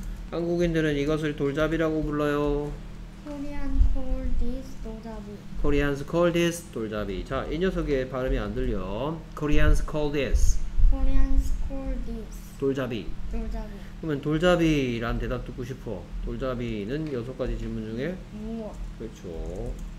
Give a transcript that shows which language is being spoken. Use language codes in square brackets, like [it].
[ko] 한국인들은 이것을 돌잡이라고 불러요. [en] Koreans call this 돌잡이. Koreans call this 돌잡이. [ko] 자, 이 녀석의 발음이 안 들려. [en] Koreans call this. Koreans call this. [ko] 돌잡이. 돌잡이. 그러면 돌잡이란 대답 듣고 싶어. 돌잡이는 여섯 가지 질문 중에 무엇? 그렇죠.